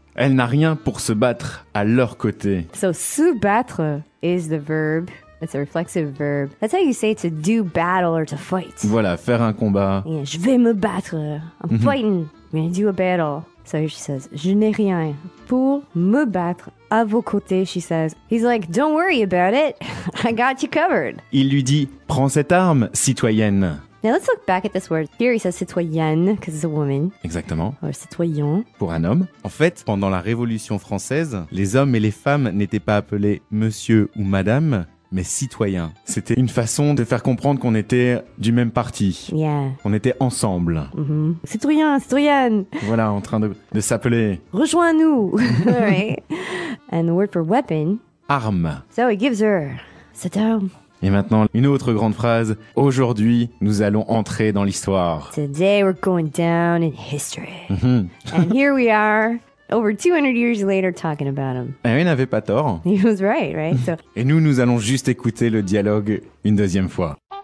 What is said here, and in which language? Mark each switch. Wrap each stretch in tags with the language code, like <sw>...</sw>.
<fr>Elle n'a rien pour se battre à leur côté.</fr> <en>So, se battre is the verb. It's a reflexive verb. That's how you say to do battle or to fight.</en> <fr>Voilà, faire un combat.</fr> <en>Yeah,</en> <fr>je vais me battre.</fr> <en>I'm mm-hmm. fighting. I'm going to do a battle. So, she says,</en> <fr>je n'ai rien pour me battre à vos côtés,</fr> <en>she says. He's like, don't worry about it. I got you covered.</en> <fr>Il lui dit, prends cette arme, citoyenne.</fr> <en>Now, let's look back at this word. Here, he says citoyenne, because it's a woman.</en> <fr>Exactement.</fr> <en>Or citoyen.</en> <fr>Pour un homme. En fait, pendant la Révolution française, les hommes et les femmes n'étaient pas appelés monsieur ou madame, mais citoyen. C'était une façon de faire comprendre qu'on était du même parti.</fr> <en>Yeah.</en> <fr>On était ensemble. Mm-hmm. Citoyen, citoyenne. Voilà, en train de s'appeler... Rejoins-nous.</fr> <en>Right. And the word for weapon...</en> <fr>Arme.</fr> <en>So, he gives her</en> <fr>cette arme. Et maintenant, une autre grande phrase. Aujourd'hui, nous allons entrer dans l'histoire.</fr> <en>Today, we're going down in history. Mm-hmm. And here we are, over 200 years later, talking about him.</en> <fr>Et il n'avait pas tort.</fr> <en>He was right, right? So...</en> <fr>Et nous, nous allons juste écouter le dialogue une deuxième fois.</fr>